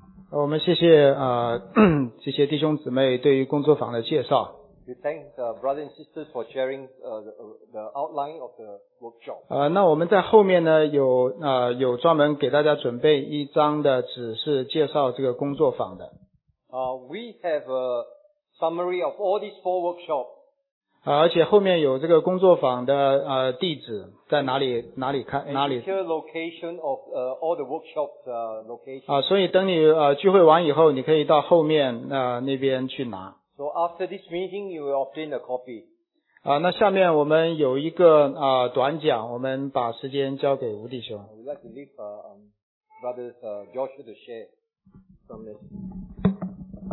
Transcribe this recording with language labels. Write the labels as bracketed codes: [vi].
[zh] 我们谢谢这些弟兄姊妹对于工作坊的介绍。 [en] We thank the brothers and sisters for sharing the outline of the workshop. [zh] 那我们在后面呢有专门给大家准备一张的纸是介绍这个工作坊的。 [en] We have a summary of all these four workshops. [zh] 而且后面有这个工作坊的地址在哪里看哪里。 [en] A particular location of all the workshops location. [zh] 所以等你聚会完以后你可以到后面那边去拿。 [en] So after this meeting, you will obtain a copy. [zh] 那下面我们有一个短讲，我们把时间交给吴弟兄。 [en] We'd like to leave brother Joshua to share from this.